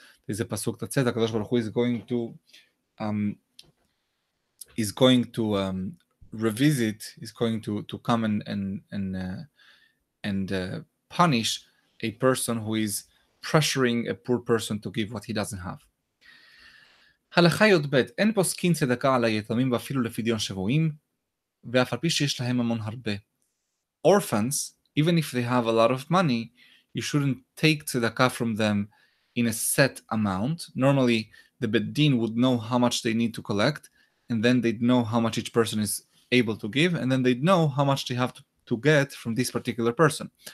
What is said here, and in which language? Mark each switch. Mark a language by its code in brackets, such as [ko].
[en] There's a pasuk that says HaKadosh Baruch Hu is going to come and punish a person who is pressuring a poor person to give what he doesn't have. [he] הלכה יוד בית, אין פוסקין צדקה על היתמים ואפילו לפדיון שבועים, ואף על פי שיש להם המון הרבה. [en] Orphans, even if they have a lot of money, you shouldn't take צדקה from them in a set amount. Normally, the bet din would know how much they need to collect, and then they'd know how much each person is able to give, and then they'd know how much they have to get from this particular person.